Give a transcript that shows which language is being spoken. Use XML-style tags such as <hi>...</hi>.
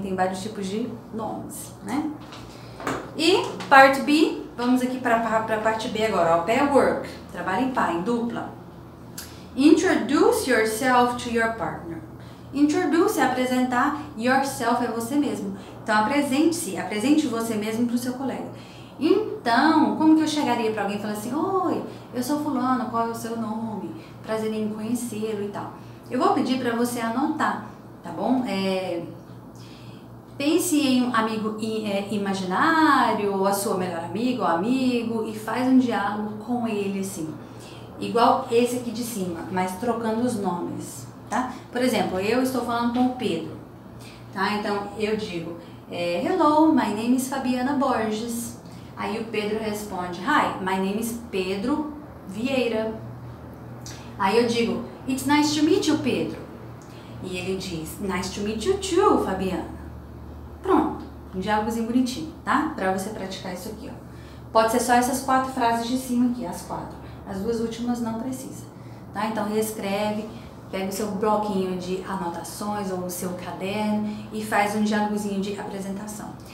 <pt>Tem vários tipos de nomes, né? E parte B, vamos aqui para parte B agora. Ó, pair work, trabalho em par, em dupla.</pt> <en>Introduce yourself to your partner.</en> <pt>Introduce é apresentar, yourself é você mesmo. Então apresente-se, apresente você mesmo para o seu colega. Então, como que eu chegaria para alguém e falar assim, oi, eu sou fulano, qual é o seu nome? Prazer em conhecê-lo e tal. Eu vou pedir para você anotar, tá bom? Pense em um amigo imaginário, ou a sua melhor amiga ou amigo, e faz um diálogo com ele assim. Igual esse aqui de cima, mas trocando os nomes, tá? Por exemplo, eu estou falando com o Pedro, tá? Então, eu digo,</pt> <en>hello, my name is Fabiana Borges.</en> <pt>Aí o Pedro responde,</pt> <en>hi, my name is Pedro Vieira.</en> <pt>Aí eu digo,</pt> <en>it's nice to meet you, Pedro.</en> <pt>E ele diz,</pt> <en>nice to meet you too, Fabiana.</en> <pt>Pronto, um diálogozinho bonitinho, tá? Pra você praticar isso aqui, ó. Pode ser só essas quatro frases de cima aqui, as quatro. As duas últimas não precisa, tá? Então, reescreve, pega o seu bloquinho de anotações ou o seu caderno e faz um diálogozinho de apresentação.</pt>